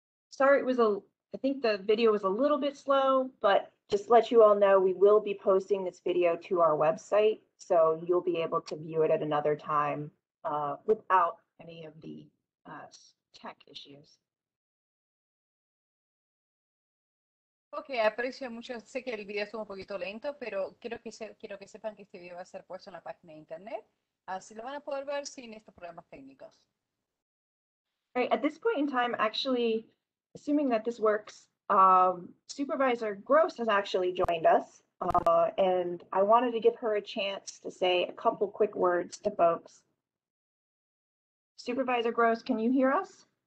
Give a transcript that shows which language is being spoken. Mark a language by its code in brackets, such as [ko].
[en] Sorry, I think the video was a little bit slow, but just to let you all know, we will be posting this video to our website, so you'll be able to view it at another time without any of the tech issues. [es] Ok, aprecio mucho. Sé que el video estuvo un poquito lento, pero quiero que sepan que este video va a ser puesto en la página de internet. Así lo van a poder ver sin estos problemas técnicos. [en] Right, at this point in time, actually, assuming that this works, Supervisor Gross has actually joined us, and I wanted to give her a chance to say a couple quick words to folks. Supervisor Gross, can you hear us?